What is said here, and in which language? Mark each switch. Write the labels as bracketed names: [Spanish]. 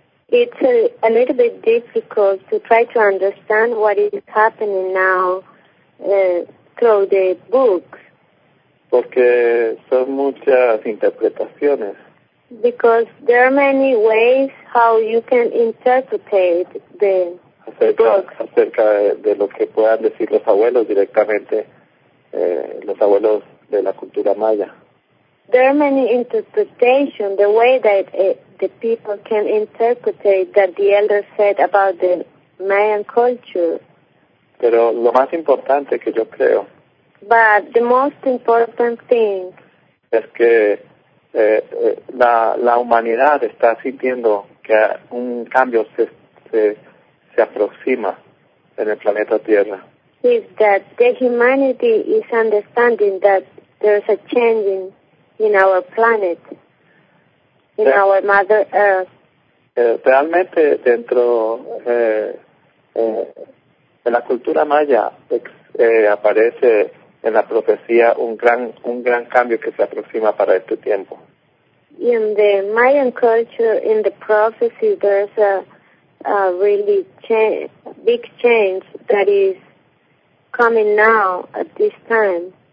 [English] It's a little bit difficult to try to understand what is happening now through the books. [Spanish] Porque son muchas interpretaciones. [English] Because there are many ways how you can interpret the books. [Spanish] Acerca de lo que puedan decir los abuelos directamente, los abuelos de la cultura maya. [English] There are many interpretations, the way that the people can interpret that the elders said about the Mayan culture. [Spanish] Pero lo más importante que yo creo. [English] But the most important thing. [Spanish] Es que la humanidad está sintiendo que un cambio se aproxima en el planeta Tierra. [English] Is that the humanity is understanding that there's a change in our planet, our Mother Earth. [Spanish] Realmente dentro de la cultura maya aparece en la profecía un gran cambio que se aproxima para este tiempo. [English] In the Mayan culture, in the prophecy, there's a really big change that is coming now at this time.